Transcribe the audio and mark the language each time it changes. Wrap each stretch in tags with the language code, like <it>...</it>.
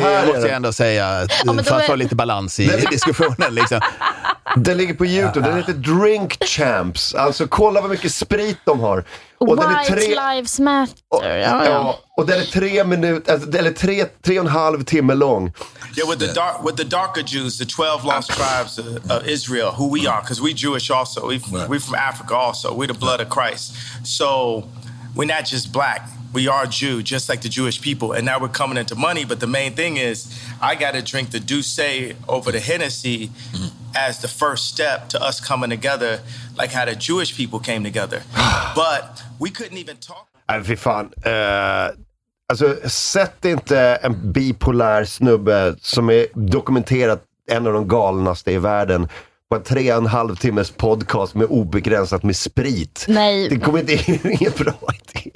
<sv>det måste jag ändå säga för att få lite balans i diskussionen liksom. Den ligger på YouTube. Den heter Drink Champs. Alltså kolla vad mycket sprit de har. Och White den är Lives Matter. Och den är 3 minuter alltså, eller 3,5 timme lång.</sv> <en>Yeah, with the darker Jews, the 12 lost tribes of Israel, who we are, because we Jewish also, we from Africa also, we the blood of Christ. So we're not just black. We are Jew, just like the Jewish people. And now we're coming into money. But the main thing is, I got to drink the Douce over the Hennessy as the first step to us coming together, like how the Jewish people came together. But we couldn't even talk.</en> <sv>Nej, fy fan. Alltså, sätt inte en bipolär snubbe som är dokumenterat en av de galnaste i världen på en 3,5 timmes podcast med obegränsat med sprit. Nej. Det kommer inte inget bra idé.</sv>